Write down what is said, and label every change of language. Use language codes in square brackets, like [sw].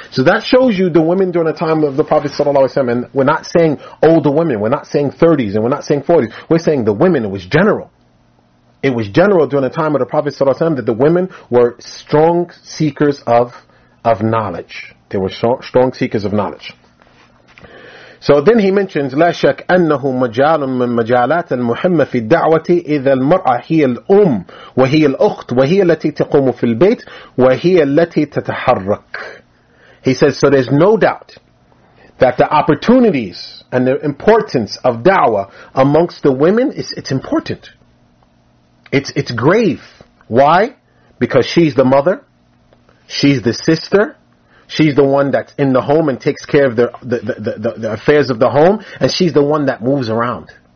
[en] So that shows you the women during the time of the Prophet sallallahu alaihi wasallam. And we're not saying older women. We're not saying 30s and we're not saying 40s. We're saying the women. It was general. It was general during the time of the Prophet sallallahu alaihi wasallam that the women were strong seekers of knowledge. They were strong seekers of knowledge. So then he mentions, [ar] لَا شَكْ أَنَّهُ مَجَالٌ مِّن مَجَالَاتِ الْمُحِمَّةِ فِي الدَّعْوَةِ إِذَا الْمَرْأَةِ هِيَ الْأُمْ وَهِيَ الْأُخْتُ وَهِيَ الَّتِي تَقُومُ فِي الْبَيْتِ وَهِيَ الَّتِي تَتَحَرَّكُ. [en] He says, so there's no doubt that the opportunities and the importance of da'wah amongst the women, it's important. It's grave. Why? Because she's the mother, she's the sister, she's the one that's in the home and takes care of the affairs of the home, and she's the one that moves around.